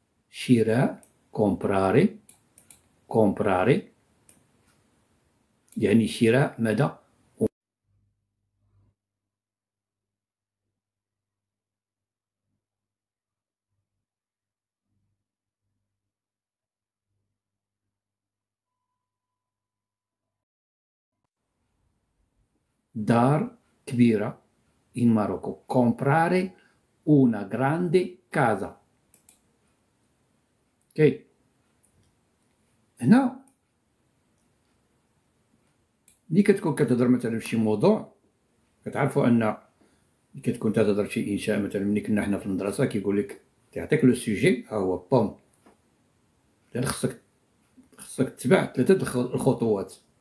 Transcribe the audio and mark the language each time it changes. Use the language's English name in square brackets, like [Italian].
[Arabic] شراء، كومبراري كومبراري يعني شراء ماذا؟ دار كبيرة [Italian] in Marocco. Comprare una grande casa. [English] Ok. [Arabic] هنا ملي كتكون كتهضر مثلا في شي موضوع، كتعرفوا ان ملي كتكون تهضر في شي انشاء، مثلا ملي كنا حنا في المدرسه كيقول لك تعطيك لو سوجي ها هو بوم، خصك تتبع ثلاثه الخطوات.